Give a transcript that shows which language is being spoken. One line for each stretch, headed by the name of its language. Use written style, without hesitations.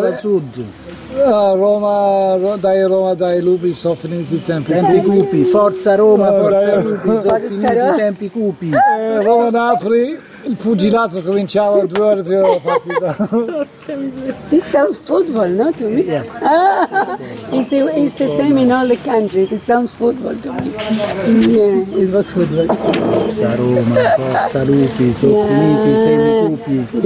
Italian: La curva sud. Roma, dai lupi, sono finiti i tempi. Tempi cupi, forza Roma, forza lupi, sono finiti i tempi cupi. Roma-Napoli, il pugilato cominciava 2 ore prima della partita.
English: This sounds football, no, to me? Yeah. It's the same in all the countries, it sounds football to me. Yeah, it was football.
Italian: Forza Roma, forza lupi, sono finiti i tempi cupi.